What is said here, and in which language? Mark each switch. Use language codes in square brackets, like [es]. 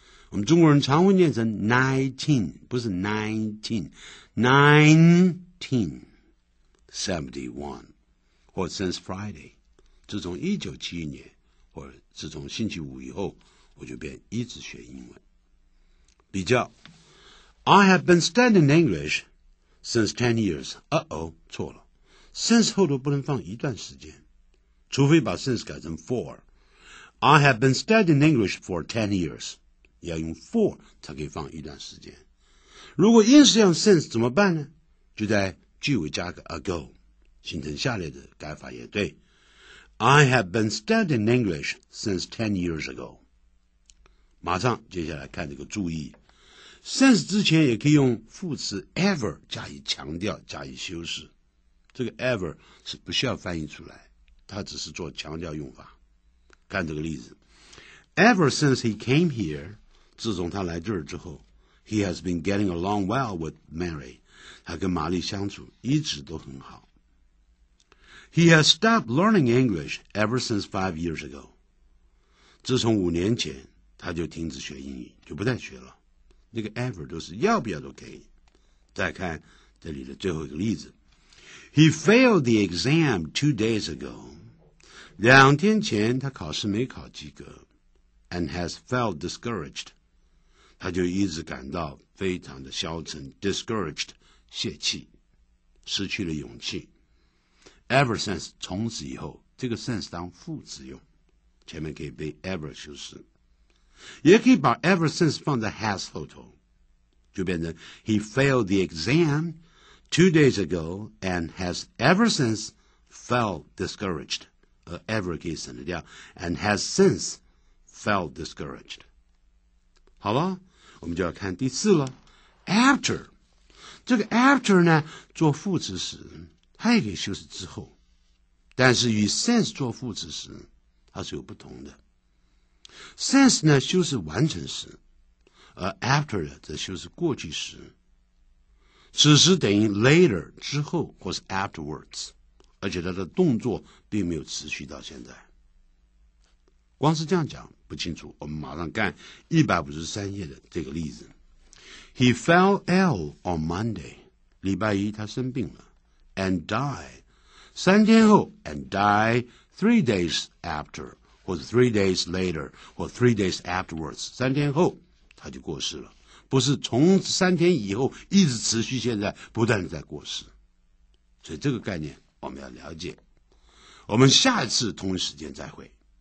[zh] 我们中国人常会念成 19, 不是 19, 1971, 或 since Friday, 自从1971年或自从星期五以后，我就便一直学英文。 [en] 比较 I have been studying English since 10 years. [zh] Uh-oh, 错了。 Since 后头不能放一段时间。除非把 since 改成 for. [en] I have been studying English for 10 years. [zh] 要用 for 才可以放一段时间。如果硬是用 since 怎么办呢？就在句尾加个 ago, 形成下列的改法也对。 [en] I have been studying English since 10 years ago. [zh] 马上接下来看这个注意 since 之前也可以用副词 ever 加以强调加以修饰，这个 ever 是不需要翻译出来，它只是做强调用法。看这个例子 [en] ever since he came here [zh] 自从他来这儿之后 [en] he has been getting along well with Mary [zh] 他跟玛丽相处一直都很好。 [en] he has stopped learning English ever since 5 years ago [zh] 自从五年前他就停止学英语，就不再学了。那个 ever 都是要不要都可以。再看这里的最后一个例子。 [en] He failed the exam 2 days ago. [zh] 两天前他考试没考及格。 [en] And has felt discouraged. [zh] 他就一直感到非常的消沉 ,discouraged, 泄气。失去了勇气。 [en] Ever since, [zh] 从此以后，这个 since 当副词用。前面可以被 ever 修饰。也可以把 [en] ever since 放在 has 后头，就变成 he failed the exam 2 days ago and has ever since felt discouraged. Ever [zh] 可以省得掉 [en] and has since felt discouraged. [zh] 好了，我们就要看第四了。After 这个 after 呢，做副词时，它也可以修饰之后，但是与 since 做副词时，它是有不同的。 Since 呢修饰完成时，而 after 则修饰过去时。此时等于 later 之后或是 afterwards, 而且它的动作并没有持续到现在。光是这样讲不清楚，我们马上看153页的这个例子。 [en] He fell ill on Monday, [zh] 礼拜一他生病了 [en] and died, 3天后 and died 3 days after,或者 3 days later, 或 3 days afterwards, [zh] 3天后他就过世了。不是从3天以后一直持续现在不断地在过世。所以这个概念我们要了解。我们下一次同一时间再会。